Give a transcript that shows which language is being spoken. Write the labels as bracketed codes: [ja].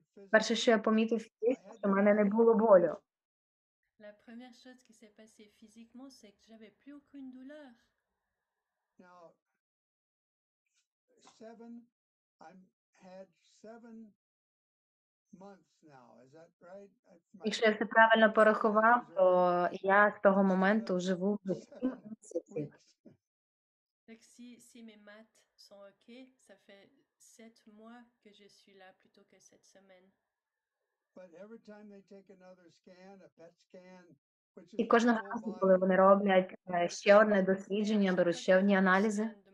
[uk] Перше, що я помітив, що в мене не було болю. [fr] La première chose qui s'est passée physiquement, c'est que j'avais plus aucune douleur. [en] Now, I've had seven months now, is that right? [uk] Якщо я це правильно порахував, то я з того моменту живу вже 7 місяців. Так, [fr] si mes maths sont ok, ça fait 7 mois que je suis là plutôt que cette semaine. [en] But every time they take another scan, a PET scan. [uk] І кожного разу, коли вони роблять ще одне дослідження, беруть ще одні аналізи,